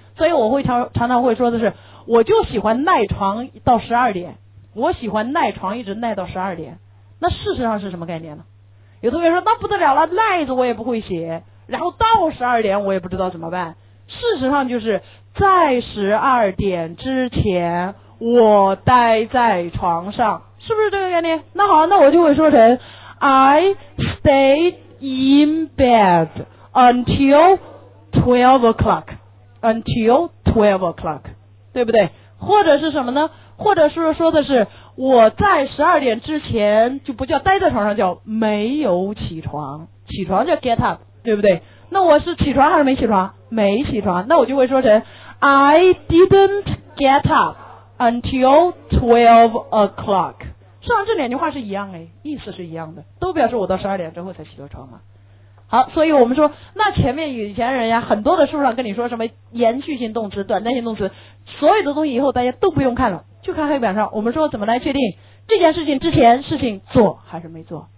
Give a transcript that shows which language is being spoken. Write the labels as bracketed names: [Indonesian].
[Chinese] 所以我会常常会说的是，我就喜欢赖床到十二点，我喜欢赖床一直赖到十二点。那事实上是什么概念呢？有同学说那不得了了，赖子我也不会写，然后到十二点我也不知道怎么办。事实上就是在十二点之前我待在床上，是不是这个概念？那好，那我就会说成 [English] I stayed in bed until 12 o'clock， until 12 o'clock， [Chinese] 对不对？或者是什么呢？或者是说的是我在12点之前就不叫待在床上，叫没有起床，起床叫 get up， 对不对？那我是起床还是没起床？没起床。那我就会说成 [English] I didn't get up until 12 o'clock。 [Chinese] 实际上这两句话是一样的，意思是一样的，都表示我到十二点之后才起了床嘛。好，所以我们说那前面以前人家很多的书上跟你说什么延续性动词、短暂性动词，所有的东西以后大家都不用看了，就看黑板上我们说怎么来确定这件事情之前事情做还是没做。